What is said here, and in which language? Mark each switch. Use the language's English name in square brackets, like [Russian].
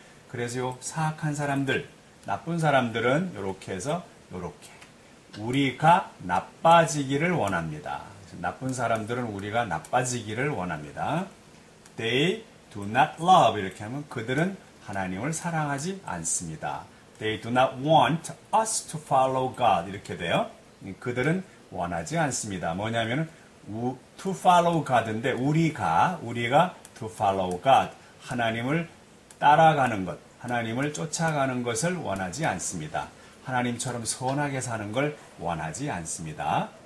[Korean] 그래서 요 사악한 사람들, 나쁜 사람들은 이렇게 해서 이렇게 우리가 나빠지기를 원합니다. 나쁜 사람들은 우리가 나빠지기를 원합니다. [English] They do not love. [Korean] 이렇게 하면 그들은 하나님을 사랑하지 않습니다. [English] They do not want us to follow God. [Korean] 이렇게 돼요. 그들은 원하지 않습니다. 뭐냐면 [English] to follow God [Korean] 인데 우리가 to follow God. 하나님을 따라가는 것, 하나님을 쫓아가는 것을 원하지 않습니다. 하나님처럼 선하게 사는 걸 원하지 않습니다.